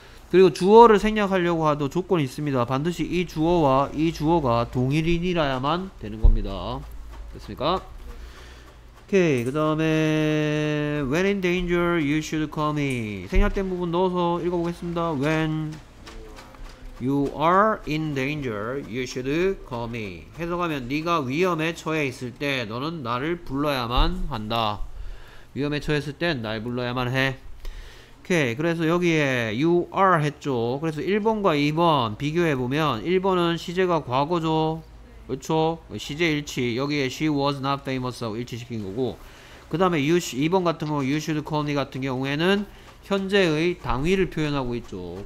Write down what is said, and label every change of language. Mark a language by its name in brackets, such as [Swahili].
[Korean] 그리고 주어를 생략하려고 하도 조건이 있습니다. 반드시 이 주어와 이 주어가 동일인이라야만 되는 겁니다. 됐습니까? 오케이. 그 다음에 [English] when in danger you should call me. [Korean] 생략된 부분 넣어서 읽어보겠습니다. [English] when you are in danger, you should call me. [Korean] 해석하면 네가 위험에 처해 있을 때 너는 나를 불러야만 한다. 위험에 처했을 때 날 불러야만 해. 오케이. 그래서 여기에 you are 했죠. 그래서 1번과 2번 비교해보면 1번은 시제가 과거죠. 그렇죠? 시제 일치. 여기에 [English] she was not famous [Korean] 하고 일치시킨 거고, 그 다음에 2번 같은 경우 [English] you should call me [Korean] 같은 경우에는 현재의 당위를 표현하고 있죠.